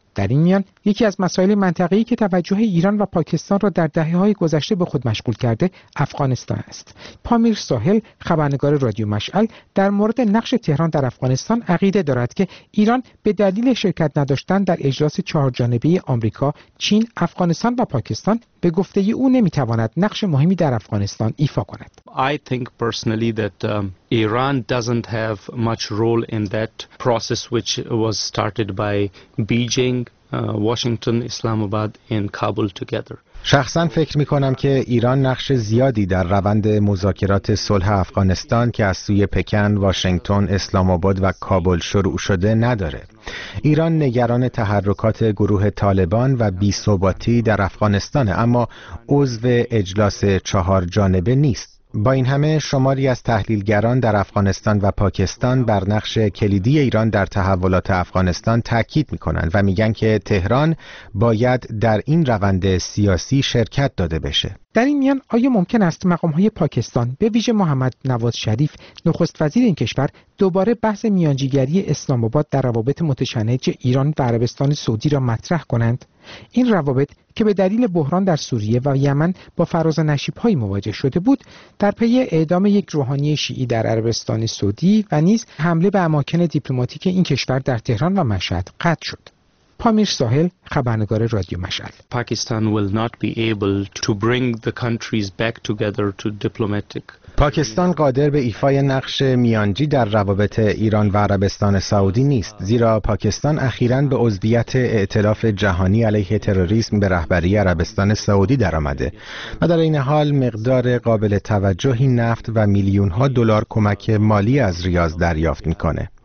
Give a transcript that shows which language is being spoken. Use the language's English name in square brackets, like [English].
[Persian] در این میان یکی از مسائل منطقه‌ای که توجه ایران و پاکستان را در دهه‌های گذشته به خود مشغول کرده افغانستان است. پامیر ساحل، خبرنگار رادیو مشعل، در مورد نقش تهران در افغانستان عقیده دارد که ایران به دلیل شرکت نداشتن در اجلاس چهارجانبه آمریکا، چین، افغانستان و پاکستان، به گفته او نمی‌تواند نقش مهمی در افغانستان ایفا کند. [English] I think personally that Iran doesn't have much role in that process which was started by Beijing, Washington, Islamabad and Kabul together. [Persian] شخصا فکر می‌کنم که ایران نقش زیادی در روند مذاکرات صلح افغانستان که از سوی پکن، واشنگتن، اسلام‌آباد و کابل شروع شده نداره. ایران نگران تحرکات گروه طالبان و بی‌ثباتی در افغانستان، اما عضو اجلاس چهار جانبه نیست. با این همه شماری از تحلیلگران در افغانستان و پاکستان بر نقش کلیدی ایران در تحولات افغانستان تاکید می‌کنند و میگن که تهران باید در این روند سیاسی شرکت داده بشه. در این میان آیا ممکن است مقام‌های پاکستان به ویژه محمد نواز شریف نخست وزیر این کشور دوباره بحث میانجیگری اسلام‌آباد در روابط متشنج ایران و عربستان سعودی را مطرح کنند؟ این روابط که به دلیل بحران در سوریه و یمن با فراز و نشیب‌های مواجه شده بود، در پی اعدام یک روحانی شیعی در عربستان سعودی و نیز حمله به اماکن دیپلماتیک این کشور در تهران و مشهد قطع شد. پامیر ساحل، خبرنگار رادیو مشعل. [English] Pakistan will not be able to bring the countries back together to diplomatic. [Persian] پاکستان قادر به ایفای نقش میانجی در روابط ایران و عربستان سعودی نیست، زیرا پاکستان اخیراً به عضویت ائتلاف جهانی علیه تروریسم به رهبری عربستان سعودی درآمده و در این حال مقدار قابل توجهی نفت و میلیون‌ها دلار کمک مالی از ریاض دریافت می‌کند.